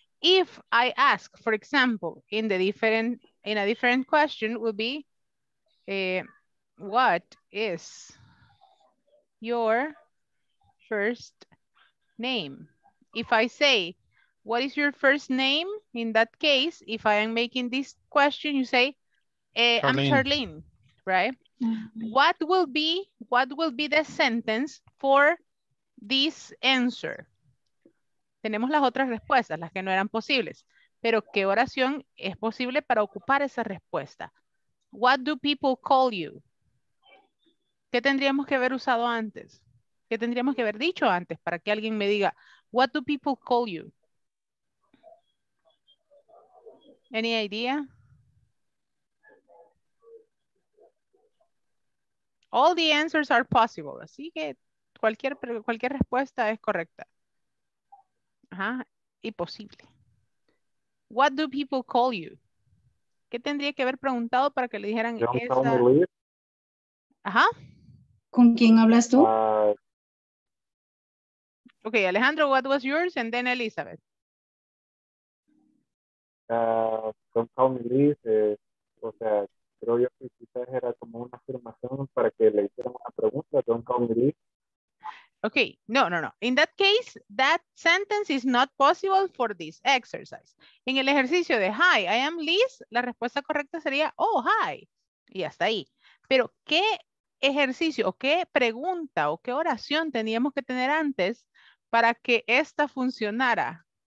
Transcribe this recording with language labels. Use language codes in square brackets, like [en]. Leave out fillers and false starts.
[en] If I ask, for example, in a different question would be, what is your first name? If I say, what is your first name? In that case, if I am making this question, you say, Charlene. I'm Charlene, right? Mm-hmm. What will be the sentence for this answer. [es] Tenemos las otras respuestas, las que no eran posibles. Pero, ¿qué oración es posible para ocupar esa respuesta? [en] What do people call you? [es] ¿Qué tendríamos que haber usado antes? ¿Qué tendríamos que haber dicho antes para que alguien me diga, [en] what do people call you? Any idea? All the answers are possible. [es] Así que cualquier respuesta es correcta. Ajá, y posible. [en] What do people call you? [es] ¿Qué tendría que haber preguntado para que le dijeran esa? Ajá. ¿Con quién hablas tú? [en] Okay, Alejandro, what was yours? And then Elizabeth. Don't call me Liz. [es] O sea, creo yo que quizás era como una afirmación para que le hicieran una pregunta. [en] Don't call me Liz. Okay, no. In that case, that sentence is not possible for this exercise. [es] En el ejercicio de [en] hi, I am Liz, [es] la respuesta correcta sería, [en] oh, hi. [es] Y hasta ahí. Pero, ¿qué ejercicio o qué pregunta o qué oración teníamos que tener antes para que esta funcionara?